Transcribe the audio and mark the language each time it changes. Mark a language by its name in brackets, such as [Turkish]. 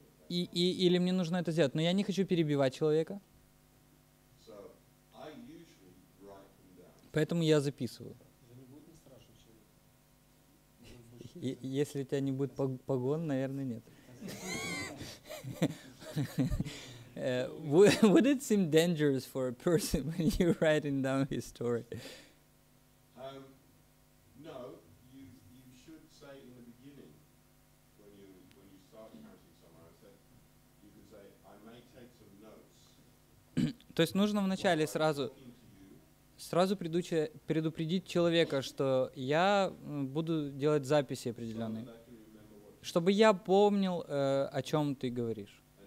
[Russian] Или мне нужно это сделать, но я не хочу перебивать человека. Поэтому я записываю. Если у тебя не будет погон, наверное, нет. [English] Would it seem dangerous for a person when you're writing down his story? No, you should say in the beginning when you start writing somewhere, you can say I may take some notes. [Russian] То есть нужно вначале сразу предупредить человека, что я буду делать записи определенные. Чтобы я помнил, о чем ты говоришь.